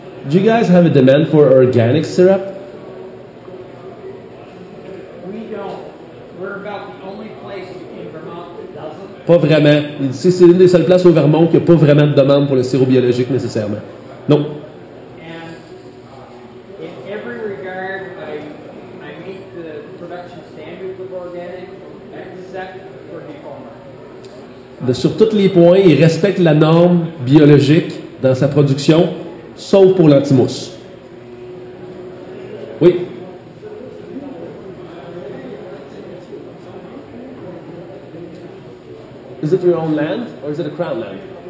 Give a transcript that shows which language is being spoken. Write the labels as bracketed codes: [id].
[en] Do you guys have a demand for organic syrup? We don't. We're about the only place in Vermont that doesn't. [fr] Pas vraiment. C'est l'une des seules places au Vermont qui n'a pas vraiment de demande pour le sirop biologique nécessairement. Non. [en] And in every regard, I meet the production standards of organic, except for the former. [fr] Sur tous les points, il respecte la norme biologique dans sa production, sauf pour l'antimousse. Oui. [en] Is it your own land or is it a crown land?